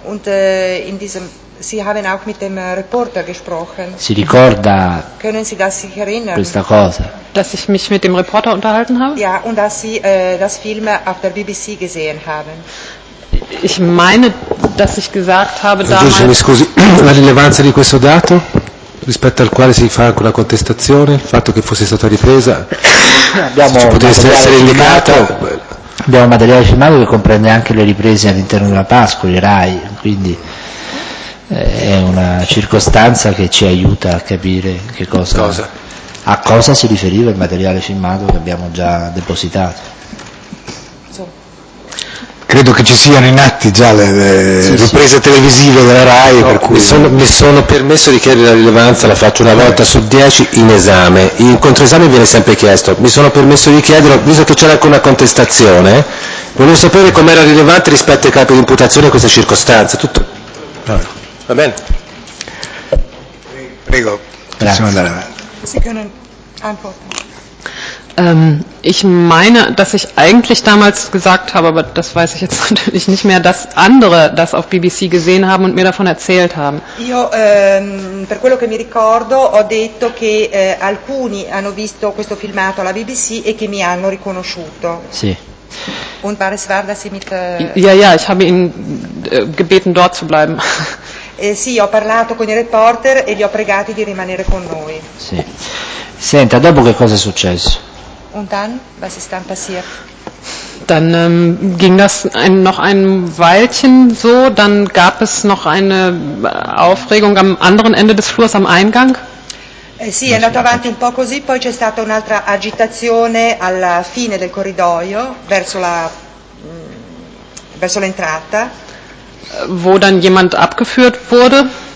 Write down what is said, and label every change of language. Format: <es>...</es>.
<de>Und in diesem Sie haben auch mit dem Reporter gesprochen.</de> <it>Si ricorda.</it> <de>Können Sie das sich erinnern?</de> <it>Questa cosa.</it> <de>Dass ich mich mit dem Reporter unterhalten habe? Ja, und dass Sie das Film auf der BBC gesehen haben. Ich meine, dass ich gesagt habe damals.</de> <it>Giusto, mi scusi. La rilevanza di questo dato rispetto al quale si fa quella contestazione, il fatto che fosse stata ripresa, abbiamo se ci potesse essere indicato. Abbiamo un materiale filmato che comprende anche le riprese all'interno della Pascoli, Rai, quindi è una circostanza che ci aiuta a capire che cosa. A cosa si riferiva il materiale filmato che abbiamo già depositato. Credo che ci siano in atti già le riprese televisive della Rai, no, per cui mi sono permesso di chiedere la rilevanza, la faccio una volta su 10 in esame, in controesame viene sempre chiesto, mi sono permesso di chiedere, visto che c'era anche una contestazione, volevo sapere com'era rilevante rispetto ai capi di imputazione questa circostanza, tutto. Allora. Va bene. Prego, possiamo andare avanti.</it> <de>Sie können antworten. Ich meine, dass ich eigentlich damals gesagt habe, aber das weiß ich jetzt natürlich nicht mehr, dass andere das auf BBC gesehen haben und mir davon erzählt haben.</de> <it>Io per quello che mi ricordo ho detto che alcuni hanno visto questo filmato alla BBC e che mi hanno riconosciuto. Sì.</it> <de>Und war es wahr, dass Sie mit Ja, ich habe ihn gebeten dort zu bleiben.</de> <it>Sì, ho parlato con i reporter e li ho pregati di rimanere con noi. Sì. Senta, dopo che cosa è successo?</it> <de>Und dann, was ist dann passiert? Dann ging das noch ein Weilchen so, dann gab es noch eine Aufregung am anderen Ende des Flurs, am Eingang.</de> <it>Sì, è andato avanti un po' così, poi c'è stata un'altra agitazione alla fine del corridoio, verso l'entrata.</it> <de>Wo dann jemand abgeführt wurde.</de>